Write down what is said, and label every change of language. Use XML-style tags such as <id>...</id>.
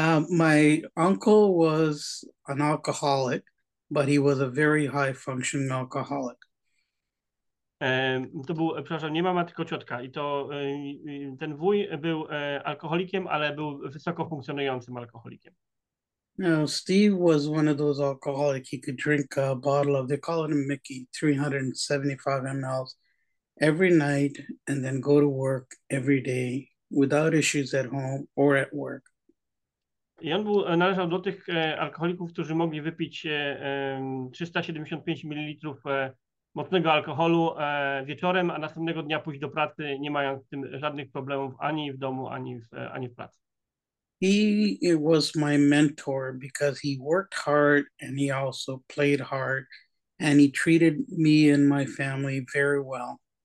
<en>My uncle was an alcoholic, but he was a very high functioning alcoholic.</en> <pl>To był, przepraszam, nie mama, tylko ciotka. I to ten wuj był alkoholikiem, ale był wysoko funkcjonującym alkoholikiem.</pl> <en>Now, Steve was one of those alcoholics. He could drink a bottle of, they call it a Mickey, 375 mls every night and then go to work every day without issues at home or at work.</en> <pl>I on był, należał do tych alkoholików, którzy mogli wypić 375 ml mocnego alkoholu wieczorem, a następnego dnia pójść do pracy, nie mając z tym żadnych problemów ani w domu, ani w pracy.</pl> <en>He was my mentor because he worked hard and he also played hard and he treated me and my family very well.</en>